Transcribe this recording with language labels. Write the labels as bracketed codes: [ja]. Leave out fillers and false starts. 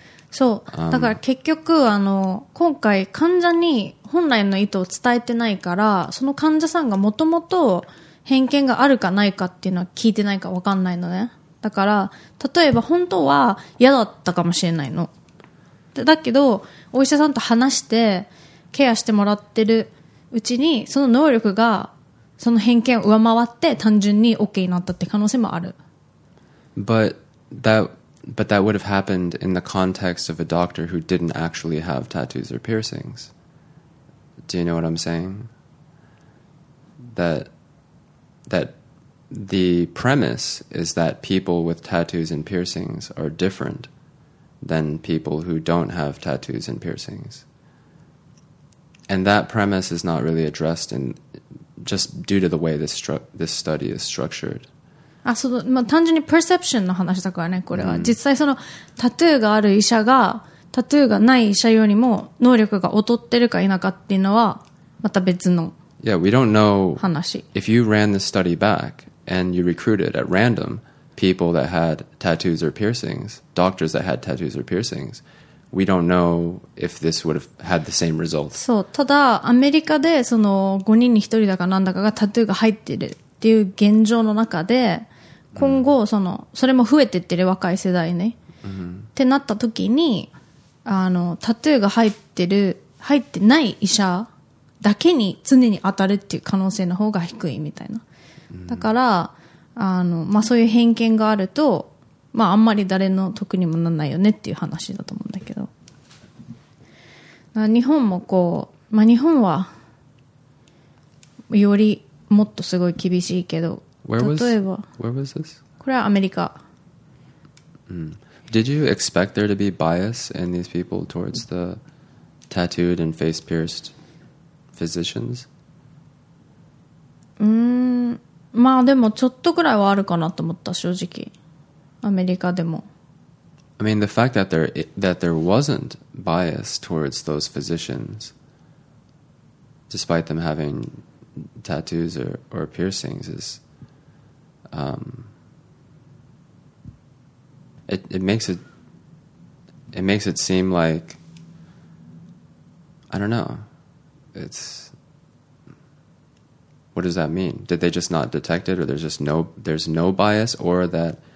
[ja] そうだから結局あの今回患者に本来の意図を伝えてないから、その患者さんがもともと偏見があるかないかっていうのは聞いてないか分かんないのね。だから例えば本当は嫌だったかもしれないので、だけどお医者さんと話してケアしてもらってるうちに、その能力がその偏見を上回って単純に OK になったって可能性もある。 [en] But that would have happened in the context of a doctor who didn't actually have tattoos or piercings. Do you know what I'm saying? That the premise is that people with tattoos and piercings are different than people who don't have tattoos and piercings. And that premise is not really addressed in just due to the way this study is structured. [ja] あ、そのまあ、単純にパーセプションの話だからね、これは。実際そのタトゥーがある医者がタトゥーがない医者よりも能力が劣ってるか否かっていうのはまた別の話。 [en] Yeah, we don't know if you ran the study back and you recruited at random people that had tattoos or piercings, doctors that had tattoos or piercings, we don't know if this would have had the same result. [ja] そう、ただアメリカでその5人に1人だかなんだかがタトゥーが入ってるっていう現状の中で、今後 それも増えてってる若い世代ね、ってなった時に、あのタトゥーが入ってない医者だけに常に当たるっていう可能性の方が低いみたいな。だからあの、まあ、そういう偏見があると、まあ、あんまり誰の得にもならないよねっていう話だと思うんだけど、だから日本もこう、まあ、日本はよりもっとすごい厳しいけど、 [en] Where was this? [ja] これはアメリカ。 [en] Did you expect there to be bias in these people towards the tattooed and face pierced physicians? [ja] まあでもちょっとくらいはあるかなと思った、正直。アメリカでも。 [en] I mean, the fact that there wasn't bias towards those physicians, despite them havingtattoos or piercings is it makes it seem like, I don't know, it's, what does that mean? Did they just not detect it, or there's no bias, or that